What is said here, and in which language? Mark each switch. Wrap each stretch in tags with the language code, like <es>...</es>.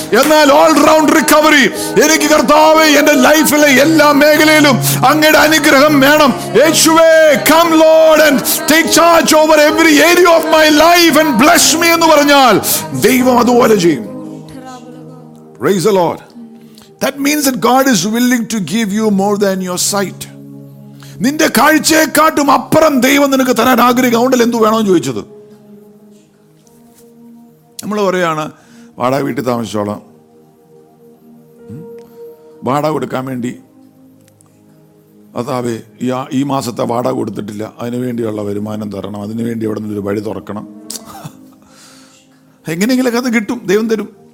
<ml>എന്നാൽ</ml> <en>all round recovery,</en> <ml>എനിക്ക് കർത്താവ് എന്റെ ലൈഫിലെ എല്ലാ മേഖലയിലും അങ്ങയുടെ അനുഗ്രഹം വേണം.</ml> <en>യേശുവേ, come lord and take charge over every area of my life and bless me</en> <ml>എന്ന് പറഞ്ഞാൽ ദൈവം അതുപോലെ ചെയ്യും.</ml> <en>Praise the lord. That means that God is willing to give you more than your sight.</en> <ml>നിന്റെ കാഴ്ചയെക്കാട്ടും അപ്പുറം ദൈവം നിനക്ക് തരാൻ ആഗ്രഹിക്കുക. അതുകൊണ്ടല്ല എന്തു വേണോ ചോദിച്ചത്. നമ്മൾ പറയുകയാണ് വാടക വീട്ടിൽ താമസിച്ചോളാം, വാടക കൊടുക്കാൻ വേണ്ടി അതാവെ ഈ മാസത്തെ വാടക കൊടുത്തിട്ടില്ല, അതിനു വേണ്ടിയുള്ള വരുമാനം തരണം, അതിനു വേണ്ടി അവിടെ നിന്നൊരു വഴി തുറക്കണം, എങ്ങനെയെങ്കിലൊക്കെ അത് കിട്ടും, ദൈവം തരും.</ml>